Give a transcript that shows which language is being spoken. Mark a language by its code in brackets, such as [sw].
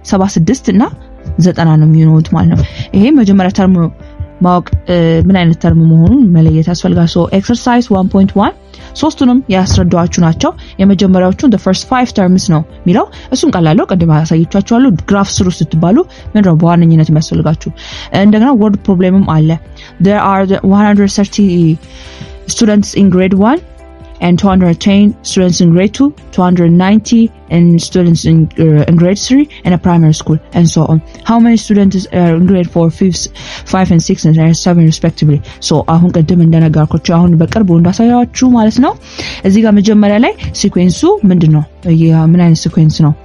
[am] 76 እና 90 ነው የሚሆኑት ማለት ነው። ይሄ መጀመሪያ ተርሙ ማወቅ ምን አይነት ተርሙ መሆኑን መለየት አስፈልጋል። [en] so exercise 1.1 [am] ሶስቱንም ያስረዳዋችሁ ናቸው። የመጀመሪያዎቹን [en] the first 5 terms [am] ነው የሚለው። እሱን ቀላል ነው ቀድማ ያሳያችኋለሁ። graph ስሩ ስትባሉ ምን ነው በዋነኝነት የሚያስፈልጋችሁ? እንደገና word problemም አለ። [en] there are 130 students in grade 1 and 210 students in grade 2, 290 and students in grade 3 and a primary school and so on. How many students are in grade 4, 5 and 6 and 7 respectively? [am] So አሁን ቀደም እንደነገርኳችሁ አሁን በቅርብ እንዳሳያችሁ ማለት ነው። እዚህ ጋር መጀመሪያ ላይ ሲኩዌንሱ ምንድነው? ምን አይነት ሲኩዌንስ ነው?